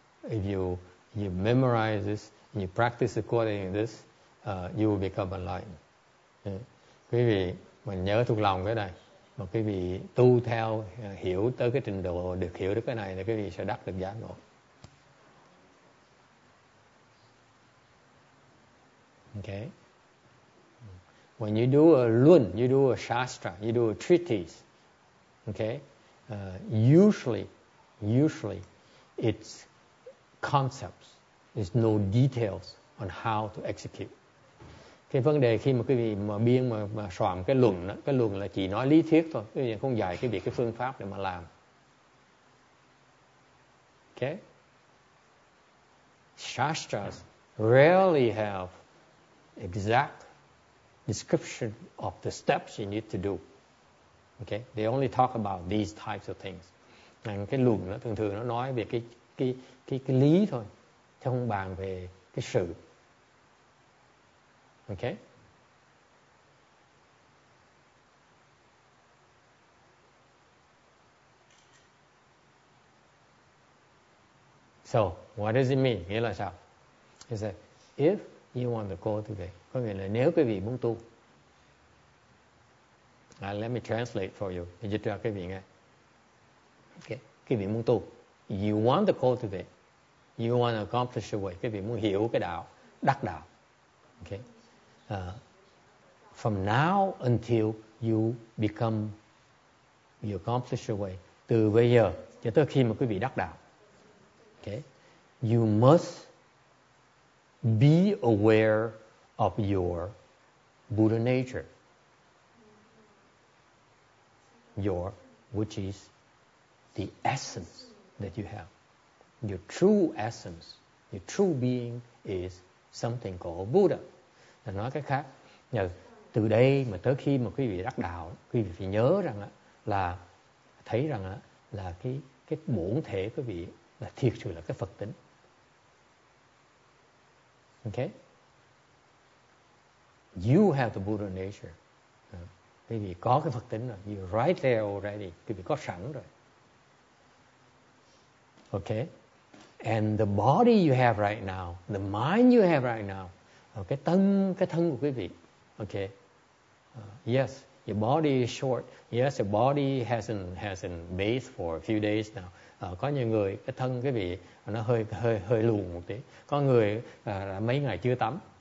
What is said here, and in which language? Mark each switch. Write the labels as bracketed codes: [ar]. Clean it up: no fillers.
[en] You memorize this, and you practice according to this, you will become enlightened. [vi] Quý vị, mình nhớ thuộc lòng cái này. Mà quý vị tu theo, hiểu tới cái trình độ, được hiểu được cái này, thì quý vị sẽ đắc được giác ngộ. [en] Okay. When you do a luận, you do a shastra, you do a treatise, okay, usually it's concepts. There's no details on how to execute. [vi] Cái vấn đề khi mà quý vị mà biên mà soạn cái luận đó, cái luận là chỉ nói lý thuyết thôi, quý vị không dạy cái việc cái phương pháp để mà làm. [en] Okay? Shastras rarely have exact description of the steps you need to do. Okay? They only talk about these types of things. [vi] Nên cái luận nó thường thường nó nói về cái lý thôi. Không bàn về cái sự. [en] Ok. So, what does it mean? [vi] Nghĩa là sao? [en] He said, if you want to cultivate, [vi] có nghĩa là nếu quý vị muốn tu. [en] Let me translate for you. [vi] Để dịch cho quý vị nghe. Ok. Quý vị muốn tu. [en] You want to cultivate. You want to accomplish the way. [vi] Quý vị muốn hiểu cái đạo, đắc đạo. [en] Okay. From now until you become, you accomplish the way. [vi] Từ bây giờ cho tới khi mà quý vị đắc đạo. [en] Okay. You must be aware of your Buddha nature. Your, which is the essence that you have. Your true essence, your true being is something called Buddha. [vi] Là nói cách khác, từ đây mà tới khi mà quý vị đắc đạo, quý vị phải nhớ rằng là thấy rằng là cái bổn thể của quý vị là thiệt sự là cái Phật tính. [en] Ok? You have the Buddha nature. [vi] Quý vị có cái Phật tính rồi. [en] You're right there already. [vi] Quý vị có sẵn rồi. [en] Ok? And the body you have right now, the mind you have right now, [vi] cái thân của quý vị, [en] okay. Yes, your body is short. Yes, your body hasn't bathed for a few days now. [vi] Có nhiều người cái thân quý vị nó hơi lùn một tí. Có người mấy ngày chưa tắm.